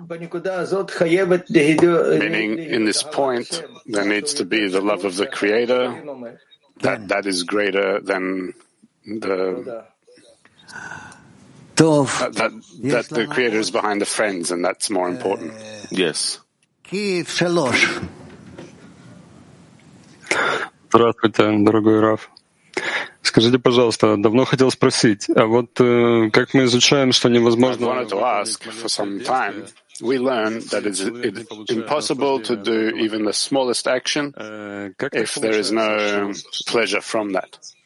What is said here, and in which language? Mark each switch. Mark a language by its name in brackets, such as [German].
[English] Meaning, in this point, there needs to be the love of the Creator that is greater than the... That the Creator is behind the friends, and that's more important. Yes. Kiev 3. [Russian] Здравствуйте, дорогой Раф. Скажите, пожалуйста, давно хотел спросить, а вот как мы изучаем, что невозможно... [English] I wanted to ask for some time. We learn that it's impossible to do even the smallest action if there is no pleasure from that.